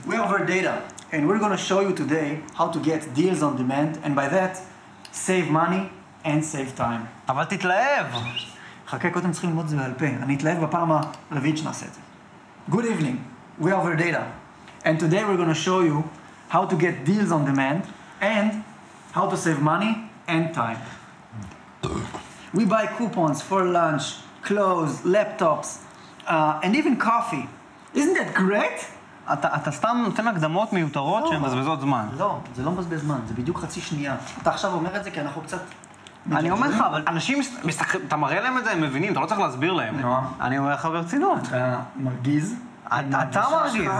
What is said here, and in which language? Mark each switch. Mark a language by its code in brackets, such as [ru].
[en] We are Verdata, and we're going to show you today how to get deals on demand, and by that, save money and save time. [he] אבל תתלהב! חכה, קודם צריכים ללמוד את זה בעל פה. אני אתלהב בפעם הרביעית שנעשה את זה. [en] Good evening. We are Verdata, and today we're going to show you how to get deals on demand, and how to save money and time. We buy coupons for lunch, clothes, laptops, and even coffee. Isn't that great? [he] אתה סתם נותן הקדמות מיותרות שהן מזבזות זמן. לא, זה לא מזבז זמן, זה בדיוק חצי שנייה. אתה עכשיו אומר את זה כי אנחנו קצת... אני אומר לך, אבל אנשים, אתה מראה להם את זה, הם מבינים, אתה לא צריך להסביר להם. נועה. אני אומר לך ברצינות. אתה מרגיז? אתה מרגיז.